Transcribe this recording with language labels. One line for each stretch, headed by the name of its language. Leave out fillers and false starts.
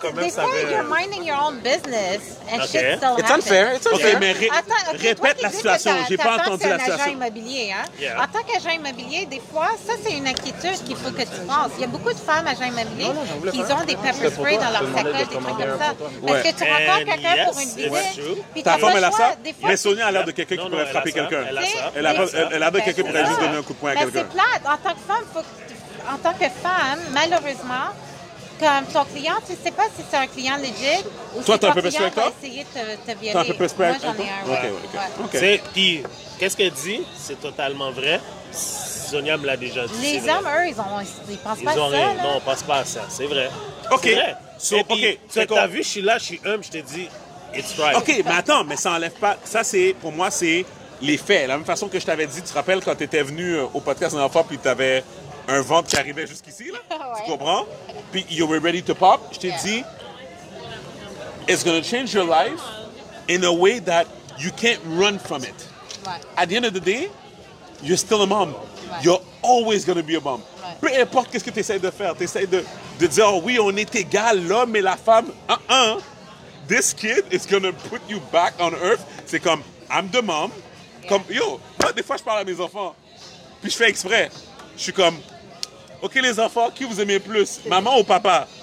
French: Des fois,
English: you're minding your own business and shit still happens. It's unfair.
French: Ok, mais répète la situation. J'ai pas entendu la situation. En tant qu'agent immobilier, en tant qu'agent immobilier, des fois, ça, c'est une inquiétude qu'il faut que tu penses. Il y a beaucoup de femmes agents immobiliers qui ont des pepper spray dans leur sacoche, des trucs comme ça. Parce que tu rencontres quelqu'un pour une visite. Ta femme, elle a ça? Mais Sonia a l'air de quelqu'un qui pourrait frapper quelqu'un. Elle a l'air de quelqu'un qui pourrait juste donner un coup de poing à quelqu'un. C'est plate. En tant que femme, malheureusement, comme ton client, tu ne sais pas si c'est un client legit ou si ton client va essayer de te violer. T'as un pepper spray avec toi? Moi, j'en ai un. Puis, qu'est-ce qu'elle dit? C'est totalement vrai. Sonia me l'a déjà dit. Les hommes, eux, ils pensent pas à ça. Non, on pense pas à ça. C'est vrai. OK. C'est vrai. Tu as vu, je suis là, je suis humble, je t'ai dit,
English: it's right.
French: OK, mais attends, mais ça enlève pas. Ça, c'est, pour moi, c'est les faits. La même façon que je t'avais dit, tu te rappelles quand tu étais venu au podcast la dernière fois, puis tu avais un ventre qui arrivait jusqu'ici, là. Tu comprends? Puis,
English: you were ready to pop.
French: Je t'ai dit,
English: it's going to change your life in a way that you can't run from it. Right. At the end of the day, you're still a mom. You're always going to be a mom.
French: Peu importe qu'est-ce que tu essaies de faire, tu essaies de dire, oh oui, on est égal, l'homme et la femme.
English: This kid is going to put you back on earth.
French: C'est comme,
English: I'm the mom.
French: Comme, yo, moi, des fois, je parle à mes enfants. Puis je fais exprès. Je suis comme, OK, les enfants, qui vous aimez plus, maman ou papa?